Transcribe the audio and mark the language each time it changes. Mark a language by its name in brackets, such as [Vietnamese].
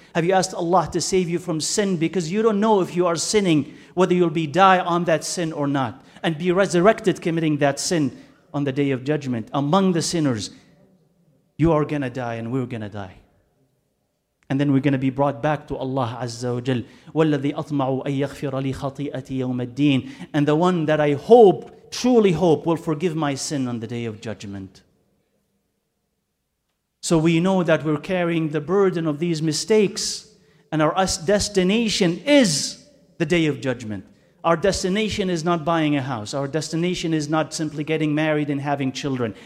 [English] Have you asked Allah to save you from sin? Because you don't know if you are sinning, whether you'll be die on that sin or not, and be resurrected committing that sin on the day of judgment among the sinners. You are going to die and we're going to die. And then we're going to be brought back to Allah Azza wa Jal. [Arabic] وَالَّذِي أَطْمَعُ أَن يَغْفِرَ لِي خَطِيئَتِي يَوْمَ الدِّينِ. [English] And the one that I hope, truly hope, will forgive my sin on the day of judgment. So we know that we're carrying the burden of these mistakes, and our destination is the day of judgment. Our destination is not buying a house. Our destination is not simply getting married and having children.